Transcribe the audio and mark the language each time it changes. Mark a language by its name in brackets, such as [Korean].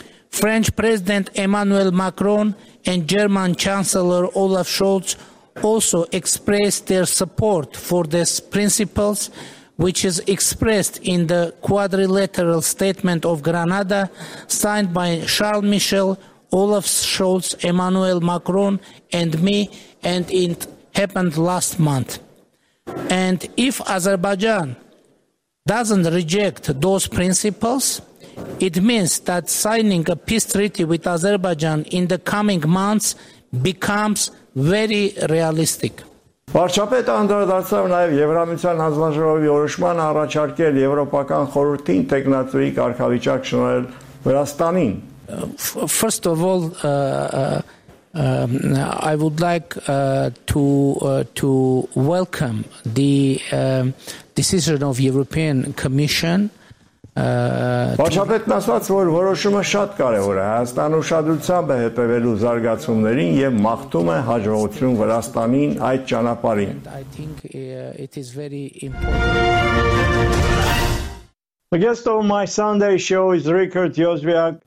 [English] French President Emmanuel Macron and German Chancellor Olaf Scholz also expressed their support for these principles, which is expressed in the quadrilateral statement of Granada, signed by Charles Michel, Olaf Scholz, Emmanuel Macron, and me, and it happened last month. And if Azerbaijan doesn't reject those principles, it means that signing a peace treaty with Azerbaijan in the coming months becomes very realistic. [Armenian] Վարչապետը անդրադարձավ նաև Եվրամիության հանձնաժողովի որոշման առաջարկել Եվրոպական խորհրդին տեղնածուի կարգավիճակ շնորհել Վրաստանին։ [English] First of all, I would like to welcome the decision of European Commission. [Armenian] Վարչապետն ասաց, որ որոշումը շատ կարևոր է, Հայաստանը ուշադրությամբ է հետևելու զարգացումներին եւ մաղթում է հաջողություն Վրաստանին այդ ճանապարհին։ [English] The guest of my Sunday show is Richard Yozviak.